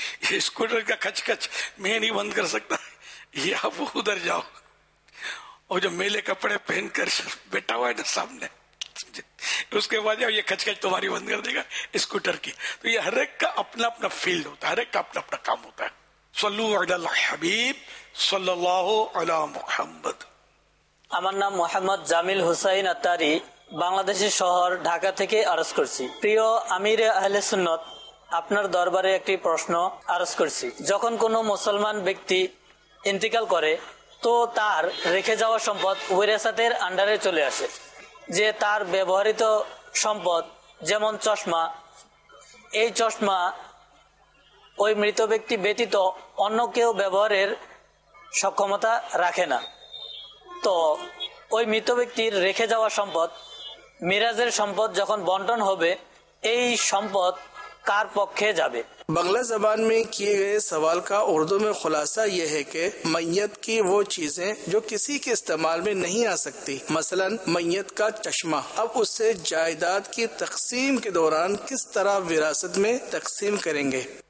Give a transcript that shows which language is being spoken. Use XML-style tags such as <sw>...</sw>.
<ur>یہ اسکوٹر کا کھچ کھچ میں نہیں بند کر سکتا, یہ آپ ادھر جاؤ. اور جو میلے کپڑے پہن کر بیٹھا ہوا ہے نا سامنے, اس کے بعد یہ کھچ کھچ تمہاری بند کر دے گا اسکوٹر کی. تو یہ ہر ایک کا اپنا اپنا فیلڈ ہوتا ہے, ہر ایک کا اپنا اپنا کام ہوتا ہے.</ur> <ar>صلو علی الحبیب صلی اللہ علی محمد.</ar> <bn>আমার নাম মোহাম্মদ জামিল হুসাইন আত্তারি, বাংলাদেশের শহর ঢাকা থেকে আরজ করছি. প্রিয় আমির আহলে সুন্নত, আপনার দরবারে একটি প্রশ্ন আরজ করছি. যখন কোনো মুসলমান ব্যক্তি ইন্তিকাল করে তো তার রেখে যাওয়া সম্পদ উইরাসাতের আন্ডারে চলে আসে, যে তার ব্যবহৃত সম্পদ যেমন চশমা, এই চশমা ওই মৃত ব্যক্তি ব্যতীত অন্য কেউ ব্যবহারের সক্ষমতা রাখে না. তো ওই মৃত ব্যক্তির রেখে যাওয়া সম্পদ, মিরাজের সম্পদ যখন বন্টন হবে, এই সম্পদ কার পক্ষে যাবে?</bn> <ur>بنگلہ زبان میں کیے گئے سوال کا اردو میں خلاصہ یہ ہے کہ میت کی وہ چیزیں جو کسی کے استعمال میں نہیں آ سکتی, مثلا میت کا چشمہ, اب اسے جائیداد کی تقسیم کے دوران کس طرح وراثت میں تقسیم کریں گے؟</ur>